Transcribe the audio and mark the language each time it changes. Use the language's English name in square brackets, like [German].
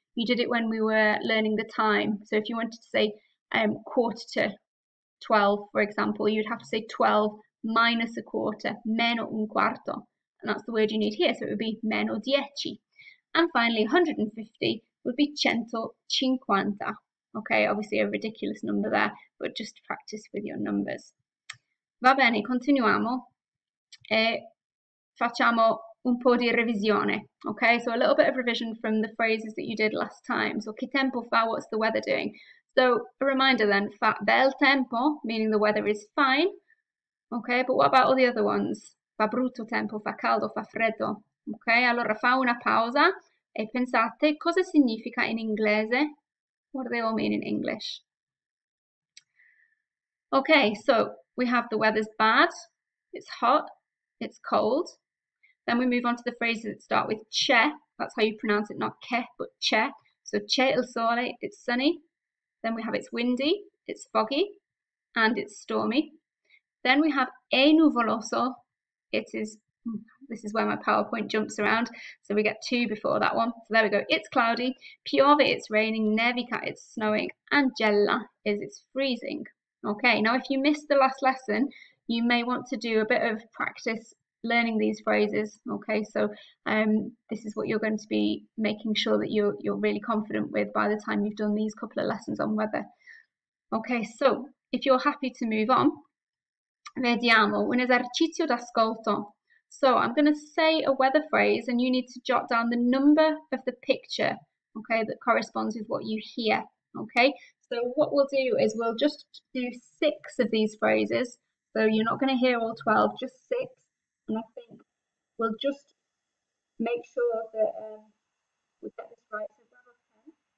[English] You did it when we were learning the time. So if you wanted to say quarter to 12, for example, you'd have to say 12 minus a quarter, [Italian] meno un quarto. [English] And that's the word you need here. So it would be meno 10. And finally, 150 would be 150. Okay, obviously a ridiculous number there, but just to practice with your numbers. [Italian] Va bene, continuiamo e facciamo un po' di revisione. [English] Okay, so a little bit of revision from the phrases that you did last time. So, [Italian] che tempo fa? [English] What's the weather doing? So, a reminder then, [Italian] fa bel tempo, [English] meaning the weather is fine. Okay, but what about all the other ones? [Italian] Fa brutto tempo, fa caldo, fa freddo. Okay, allora fa una pausa. E pensate cosa significa in inglese? [English] What do they all mean in English? Okay, so we have the weather's bad, it's hot, it's cold. Then we move on to the phrases that start with che. That's how you pronounce it, not che, but che. So [Italian] c'è il sole, [English] it's sunny. Then we have it's windy, it's foggy, and it's stormy. Then we have [Italian] è nuvoloso, [English] it is. This is where my PowerPoint jumps around. So we get two before that one. So there we go. It's cloudy. Piove, it's raining. Nevica, it's snowing. And gela is it's freezing. Okay, now if you missed the last lesson, you may want to do a bit of practice learning these phrases. Okay, so this is what you're going to be making sure that you're really confident with by the time you've done these couple of lessons on weather. Okay, so if you're happy to move on, [Italian] vediamo un esercizio d'ascolto. [English] So I'm going to say a weather phrase and you need to jot down the number of the picture, okay, that corresponds with what you hear. Okay, so what we'll do is we'll just do six of these phrases. So you're not going to hear all 12, just six. And I think we'll just make sure that we get this right. So grab a pen.